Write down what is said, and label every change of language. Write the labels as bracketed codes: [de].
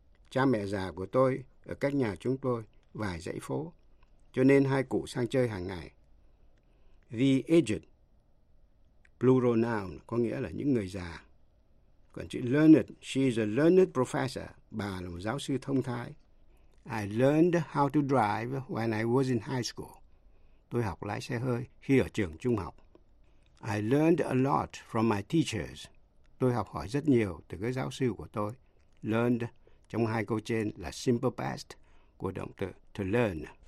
[vi] Cha mẹ già của tôi ở cách nhà chúng tôi vài dãy phố, cho nên hai cụ sang chơi hàng ngày. [en] The aged, plural noun, [vi] có nghĩa là những người già. Còn chữ learned, [en] she is a learned professor, [vi] bà là một giáo sư thông thái. [en] I learned how to drive when I was in high school. [vi] Tôi học lái xe hơi khi ở trường trung học. [en] I learned a lot from my teachers. [vi] Tôi học hỏi rất nhiều từ các giáo sư của tôi. Learned trong hai câu trên là simple past của động từ to learn.